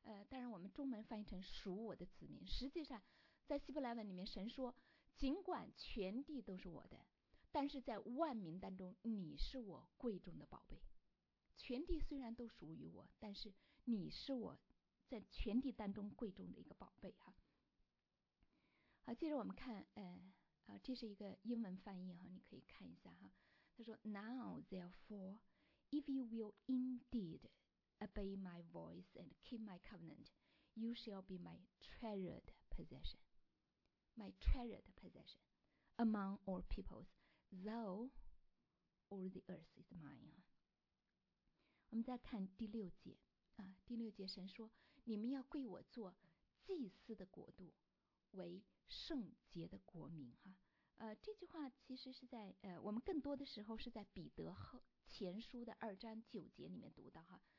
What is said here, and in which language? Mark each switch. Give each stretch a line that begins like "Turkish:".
Chinese: 当然我们中文翻译成属我的子民，实际上在希伯来文里面神说，尽管全地都是我的，但是在万民当中你是我贵重的宝贝，全地虽然都属于我，但是你是我在全地当中贵重的一个宝贝哈。接着我们看这是一个英文翻译哈，你可以看一下哈。他说
English: Now therefore, if you will indeed obey my voice and keep my covenant, you shall be my treasured possession, my treasured possession among all peoples, though all the earth is mine.
Chinese: 我们再看第六节啊，第六节神说，你们要归我做祭司的国度，为圣洁的国民哈。这句话其实是在我们更多的时候是在彼得前书的二章九节里面读到哈。